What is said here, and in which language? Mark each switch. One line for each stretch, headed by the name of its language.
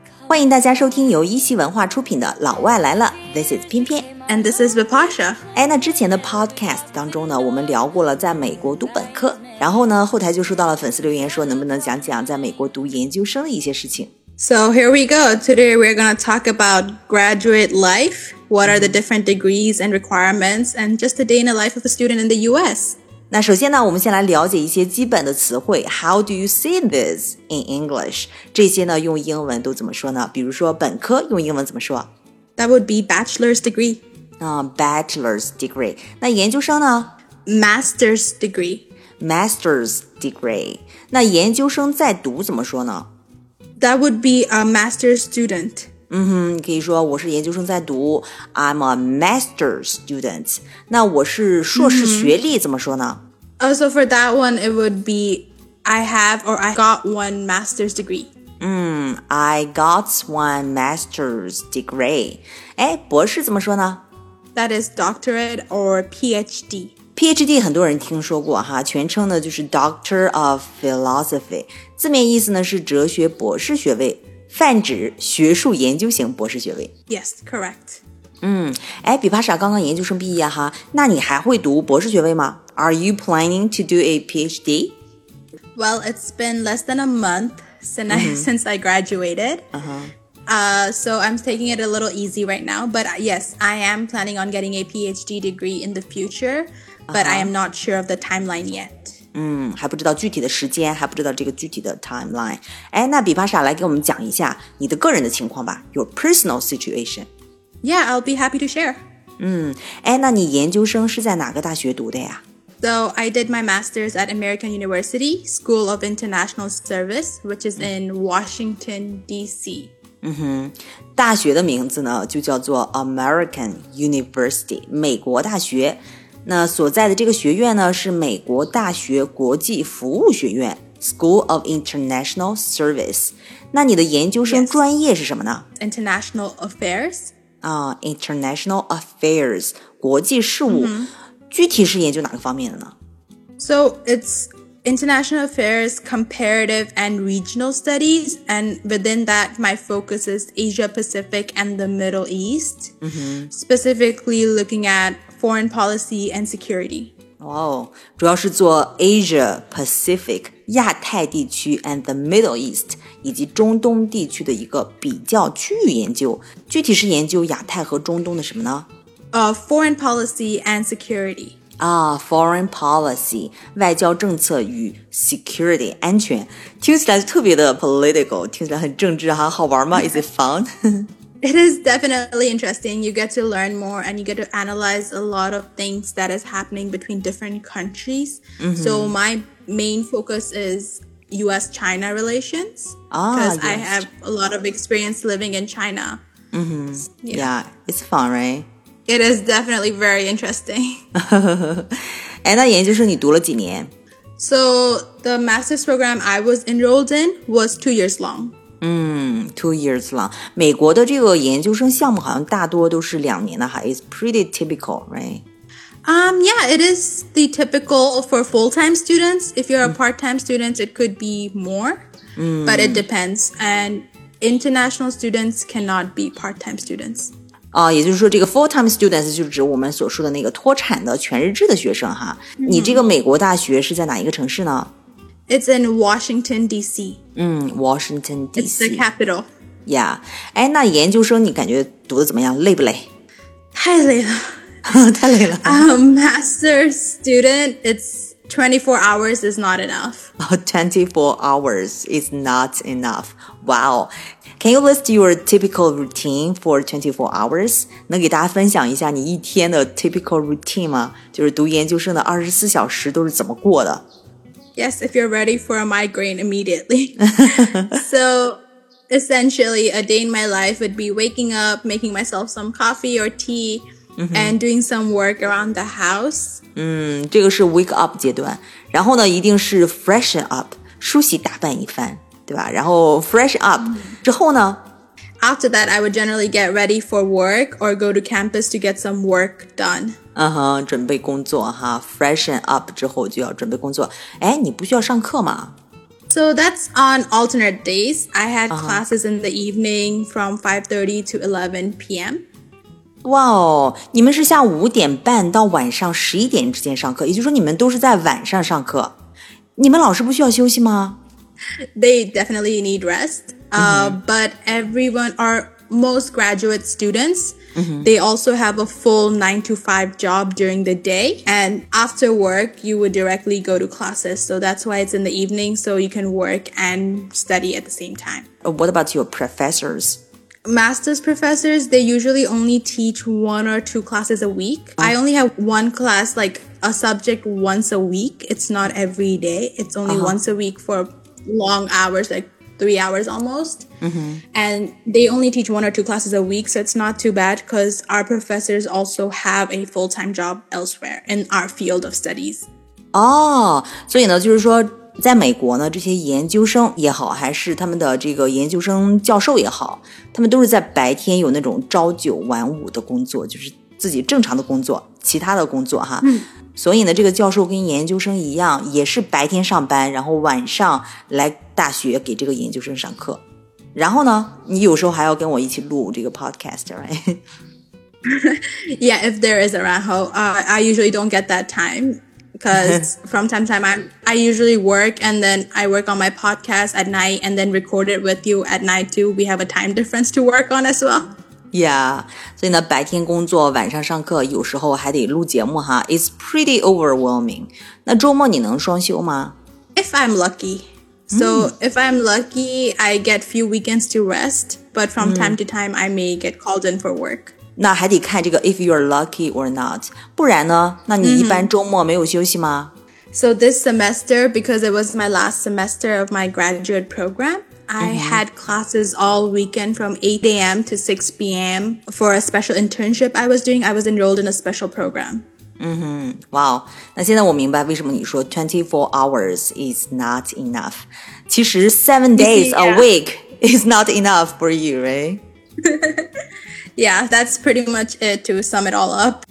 Chinese: 欢迎大家收听由一席文化出品的《老外来了》。
English: This is 翩翩。 And this is Vipasha.
Chinese: 哎，那之前的
English: podcast
Chinese: 当中呢，我们聊过了在美国读本科。然后呢，后台就收到了粉丝留言说能不能讲讲在美国读研究生的一些事情。
English: So here we go. Today we're going to talk about graduate life. What are the different degrees and requirements? And just a day in the life of a student in the U.S.
Chinese: 那首先呢，我们先来了解一些基本的词汇。
English: How do you say this in English?
Chinese: 这些呢，用英文都怎么说呢？比如说本科用英文怎么说？
English: That would be bachelor's degree. Bachelor's degree.
Chinese: 那研究生呢
English: ?Master's degree. Master's degree.
Chinese: 那研究生在读怎么说呢
English: ?That would be a master's student.
Chinese: 嗯哼，可以说我是研究生在读 ,
English: I'm a master's student.
Chinese: 那我是硕士学历怎么说呢
English: ?Also for that one, it would be I have or I got one master's degree. I got one master's degree.
Chinese: 哎，博士怎么说呢
English: ?That is doctorate or PhD.
Chinese: PhD 很多人听说过哈，全称呢就是
English: Doctor of Philosophy.
Chinese: 字面意思呢是哲学博士学位，泛指学术研究型博士学位。
English: Yes, correct.
Chinese: 哎，比帕莎刚刚研究生毕业哈，那你还会读博士学位吗 ?
English: Are you planning to do a PhD? Well, it's been less than a month. Since I graduated. So I'm taking it a little easy right now. But yes, I am planning on getting a PhD degree in the future. But I am not sure of the timeline yet.
Chinese: 还不知道具体的时间，还不知道这个具体的
English: timeline.
Chinese: 哎，那比巴莎来给我们讲一下你的个人的情况吧。
English: Your personal situation. Yeah, I'll be happy to share.
Chinese: 哎，那你研究生是在哪个大学读的呀？
English: So I did my master's at American University School of International Service, which is in Washington, D.C.
Chinese: 大学的名字呢就叫做 American University, 美国大学。那所在的这个学院呢是美国大学国际服务学院 School of International Service。那你的研究生专业是什么呢
English: yes, International Affairs. International Affairs,
Chinese: 国际事务。具体是研究哪个方面的呢
English: ?So, it's international affairs, comparative and regional studies, and within that, my focus is Asia Pacific and the Middle East,、specifically looking at foreign policy and security.
Chinese: 哦，主要是做
English: Asia Pacific,
Chinese: 亚太地区
English: and the Middle East,
Chinese: 以及中东地区的一个比较区域研究。具体是研究亚太和中东的什么呢
English: Foreign policy and security. Foreign policy,
Chinese: 外交政策与
English: security,
Chinese: 安全。听起来特别的
English: political,
Chinese: 听起来很政治哈，好玩吗？
English: Is it fun? It is definitely interesting. You get to learn more and you get to analyze a lot of things that is happening between different countries. Mm-hmm. So my main focus is U.S.-China relations. Because yes. I have a lot of experience living in China. Mm-hmm. Yeah, it's fun, right? It is definitely very interesting.
Chinese: 哎，那研究生你读了几年
English: ?So, the master's program I was enrolled in was 2 years long. 2 years long.
Chinese: 美国的这个研究生项目好像大多都是两年的哈 ,
English: it's pretty typical, right? Yeah, it is the typical for full-time students. If you're a part-time student, it could be more, but it depends. And international students cannot be part-time students.
Chinese: 也就是说这个
English: full-time students
Chinese: 就是指我们所说的那个脱产的全日制的学生哈。你这个美国大学是在哪一个城市呢
English: ?It's in Washington, D.C. Washington, D.C. It's the capital. Yeah.
Chinese: 哎，那研究生你感觉读的怎么样累不累太累了。太累了。
English: Master's student, it's 24 hours is not enough. 24 hours is not enough. Wow. Can you list your typical routine for 24 hours?
Chinese: 能给大家分享一下你一天的
English: typical routine
Chinese: 吗？就是读研究生的24小时都是怎么过的
English: ?Yes, if you're ready for a migraine immediately. So, essentially, a day in my life would be waking up, making myself some coffee or tea,、and doing some work around the house.
Chinese: 这个是
English: wake up
Chinese: 阶段。然后呢，一定是
English: freshen up,
Chinese: 梳洗打扮一番。对吧然后
English: fresh up
Chinese: 之后呢
English: After that, I would generally get ready for work or go to campus to get some work done.
Chinese: 哼，准备工作哈
English: freshen up
Chinese: 之后就要准备工作。哎，你不需要上课吗？
English: So that's on alternate days. I had classes in the evening from 5:30 to 11 p.m. Wow,
Chinese: 你们是下午5点半到晚上11点之间上课，也就是说你们都是在晚上上课。你们老师不需要休息吗？
English: They definitely need rest. But everyone, our most graduate students, they also have a full 9-to-5 job during the day. And after work, you would directly go to classes. So that's why it's in the evening, so you can work and study at the same time. What about your professors? Master's professors, they usually only teach 1 or 2 classes a week. I only have one class, like a subject once a week. It's not every day. It's only once a week for long hours, like 3 hours almost. And they only teach 1 or 2 classes a week. So it's not too bad because our professors also have a full-time job elsewhere in our field of studies. Oh, so you know,
Chinese: 就是说在美国呢，这些研究生也好，还是他们的这个研究生教授也好，他们都是在白天有那种朝九晚五的工作，就是自己正常的工作，其他的工作哈。所以呢，这个教授跟研究生一样，也是白天上班，然后晚上来大学给这个研究生上课。然后呢，你有时候还要跟我一起录这个
English: podcast, right? Yeah, if there is a rat hole, I usually don't get that time. Because from time to time, I usually work and then I work on my podcast at night and then record it with you at night too. We have a time difference to work on as well.
Chinese: Yeah, 所以呢白天工作晚上上课有时候还得录节目哈
English: It's pretty overwhelming.
Chinese: 那周末你能双休吗
English: If I'm lucky. So if I'm lucky, I get few weekends to rest. But from time to time, I may get called in for work.
Chinese: 那还得看这个
English: if you're lucky or not.
Chinese: 不然呢那你一般周末没有休息吗
English: So this semester, because it was my last semester of my graduate program, I had classes all weekend from 8 a.m. to 6 p.m. for a special internship I was doing. I was enrolled in a special program.
Chinese: 嗯哼
English: wow.
Chinese: 那现在我明白为什么你说
English: 24 hours is not enough.
Chinese: 其实
English: 7 days a week is not enough for you, right? Yeah, that's pretty much it to sum it all up.